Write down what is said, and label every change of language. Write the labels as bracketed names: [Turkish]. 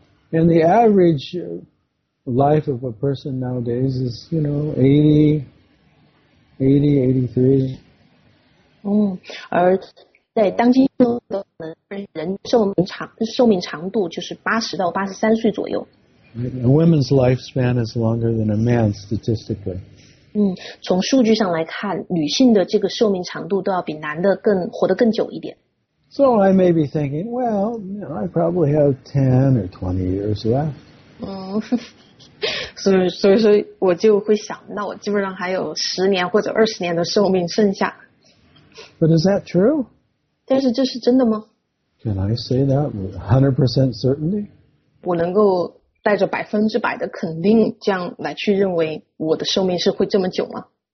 [English] And the average life of a person nowadays is, you know, 80, 83. [Chinese] 在当今的人寿命长度就是80到83岁左右。 [English] A woman's lifespan is longer than a man's statistically. [Chinese] 从数据上来看，女性的这个寿命长度都要比男的活得更久一点。 [English] So I may be thinking, well, you know, I probably have 10 or 20 years left. [Chinese] 所以说我就会想，那我基本上还有十年或者二十年的寿命剩下。 [English] But is that true? [Chinese] 但是这是真的吗？ [English] Can I say that with 100% certainty? [Chinese] 我能够带着百分之百的肯定这样来去认为我的寿命是会这么久吗？